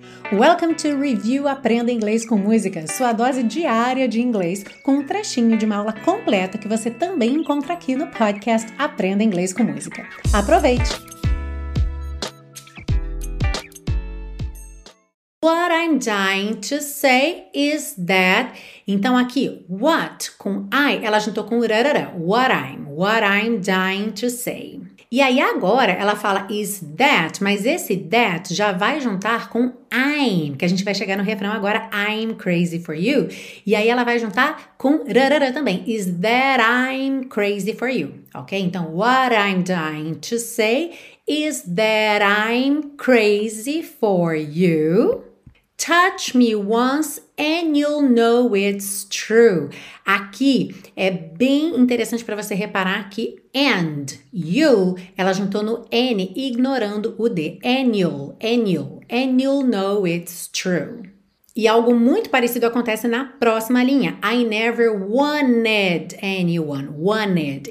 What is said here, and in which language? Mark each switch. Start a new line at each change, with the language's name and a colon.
Portuguese: Welcome to Review Aprenda Inglês com Música, sua dose diária de inglês, com um trechinho de uma aula completa que você também encontra aqui no podcast Aprenda Inglês com Música. Aproveite!
English: What I'm dying to say is that...
Portuguese: Então aqui, what com I, ela juntou com rarara,
English: what I'm dying to say.
Portuguese: E aí agora ela fala
English: is that,
Portuguese: mas esse that já vai juntar com I'm, que a gente vai chegar no refrão agora,
English: I'm crazy for you.
Portuguese: E aí ela vai juntar com rarara também,
English: is that I'm crazy for you,
Portuguese: ok?
English: Então what I'm dying to say is that I'm crazy for you. Touch me once and you'll know it's true.
Portuguese: Aqui é bem interessante para você reparar que and, you'll, ela juntou no N, ignorando o D.
English: And you'll know it's true.
Portuguese: E algo muito parecido acontece na próxima linha.
English: I never wanted anyone. Wanted.